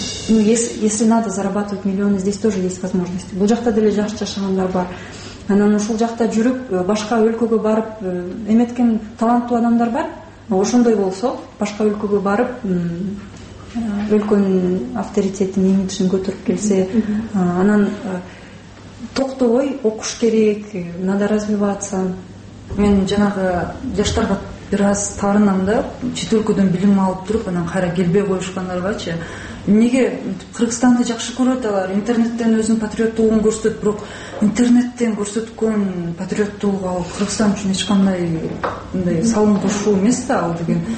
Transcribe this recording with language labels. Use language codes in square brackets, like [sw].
[ru] Ну, если надо зарабатывать миллионы, здесь тоже есть возможности. [ky] Бул жакта деле жакшы жашагандар бар. Анан ушул жакта жүрүп башка өлкөгө барып эметкен таланттуу адамдар бар. Ошондой болсо башка өлкөгө барып өлкөнүн авторитетин, имиджин көтөрүп келсе, анан токтобой окуш керек, [ru] надо развиваться. [ky] Мен жанагы жаштарга бир аз таарынам да, чет өлкөдөн билим алып туруп, анан кайра келбей коюшкандар барчы. Эмнеге Кыргызстанды жакшы көрөт алар? Интернеттен өзүн патриоттугун көрсөтөт, бирок интернеттен көрсөткөн патриоттугу ал Кыргызстан үчүн эч кандай мындай салым кошуу эмес да ал деген.